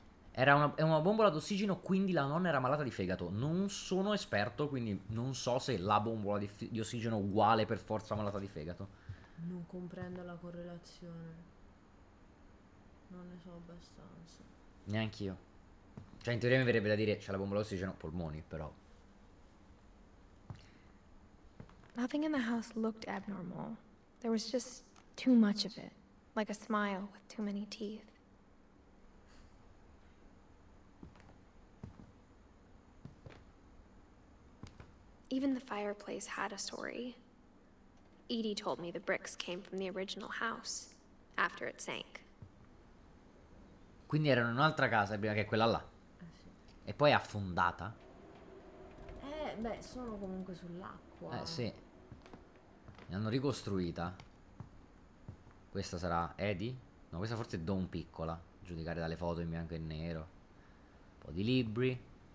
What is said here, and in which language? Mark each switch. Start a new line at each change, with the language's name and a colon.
Italian: È una bombola d'ossigeno, quindi la nonna era malata di fegato. Non sono esperto, quindi non so se la bombola di ossigeno uguale per forza malata di fegato. Non comprendo la correlazione. Non ne so abbastanza. Neanch'io. Cioè, in teoria mi verrebbe da dire c'è la bombola d'ossigeno, polmoni, però.
English: Nothing in the house looked abnormal. There was just too much of it, like a smile with too many teeth. Even the fireplace had a story. Edie told me the bricks came from the original house after it sank.
Italian: Quindi erano in un'altra casa prima che quella là. E poi è affondata. Eh beh, sono comunque Eh sull'acqua. sì. L'hanno ricostruita. Questa sarà Eddie? No, questa forse è Dawn piccola. Giudicare dalle foto in bianco e nero. po' di libri.